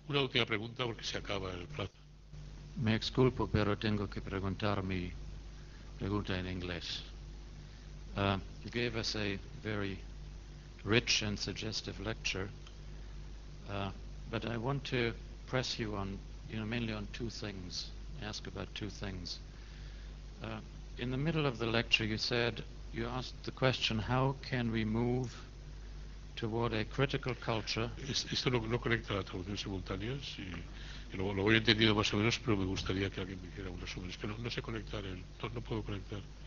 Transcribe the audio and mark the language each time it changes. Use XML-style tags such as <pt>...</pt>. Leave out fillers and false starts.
<es>Una última pregunta porque se acaba el plazo. Me exculpo, pero tengo que preguntar mi pregunta en inglés.</es> <en>You gave us a very rich and suggestive lecture, but I want to press you on, mainly on two things, ask about two things. In the middle of the lecture, you asked the question, how can we move toward a critical culture?</en> <es>Esto no conecta la traducción simultánea, sí. Lo voy entendiendo más o menos, pero me gustaría que alguien me hiciera un resumen. Es que no sé conectar no puedo conectar.</es>